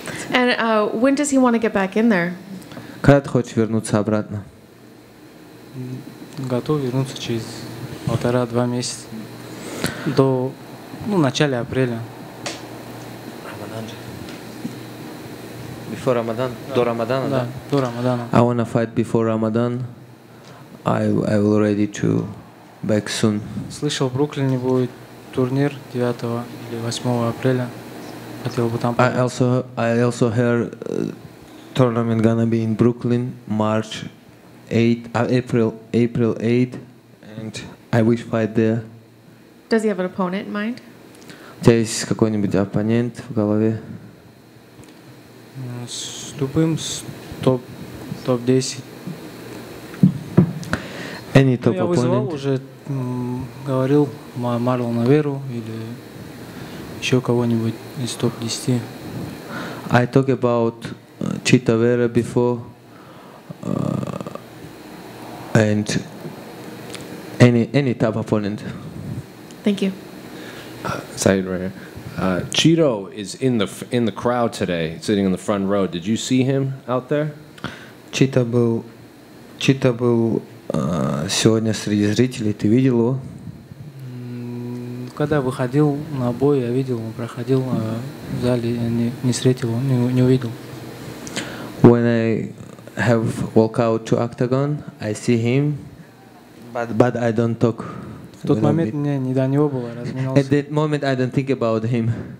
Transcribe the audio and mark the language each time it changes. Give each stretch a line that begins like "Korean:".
English: And when does he want to get back in there?
Russian: Когда ты хочешь вернуться обратно? Готов вернуться через полтора-два месяца до начала апреля.
English: Before Ramadan,
Russian: до Рамадана, да? До Рамадана.
English: I want to fight before Ramadan. I will ready to back soon.
Russian: Слышал, в Бруклине будет турнир 9 или 8 апреля. Хотел бы там.
English: I also heard tournament gonna be in Brooklyn April 8, and I wish fight there. Does he have an opponent in mind?
Russian: У тебя есть какой-нибудь оппонент в голове? С любым, с топ 10.
English: Any top opponent?
Russian: Я вызывал уже, говорил Марло Наверу или еще кого-нибудь из топ 10.
English: I talk about Chita Vera before, and any top opponent. Thank you. Said right here. Cheeto is in the crowd today, sitting in the front row. Did you see him out there?
Russian: Cheeto был сегодня среди зрителей. Ты видел его? Когда выходил на бой, я видел, он проходил в зале, не встретил, не увидел.
English: When I have walk out to octagon, I see him, but I don't talk.
Russian: В тот момент мне не до него было, разминался.
English: At that moment I don't think about him.